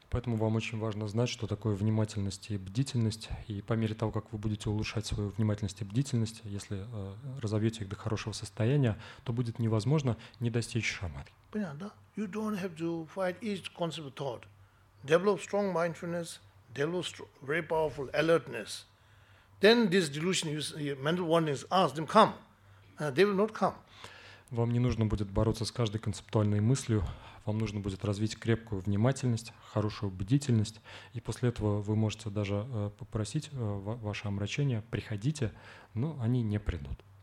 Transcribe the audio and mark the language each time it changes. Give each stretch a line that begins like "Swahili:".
Russian: Поэтому вам очень важно знать, что такое внимательность и бдительность. И по мере того, как вы будете улучшать свою внимательность и бдительность, если разовьете их до хорошего состояния, то будет невозможно не достичь шамадхи. Понятно, да?
English: You don't have to fight each concept of thought. Develop strong mindfulness. Develop very powerful alertness. Then this delusion, mental warnings, ask them come. They will not come.
Russian: Вам не нужно будет бороться с каждой концептуальной мыслью. Вам нужно будет развить крепкую внимательность, хорошую бдительность, и после этого вы можете даже попросить ваше омрачение приходите, но они не придут.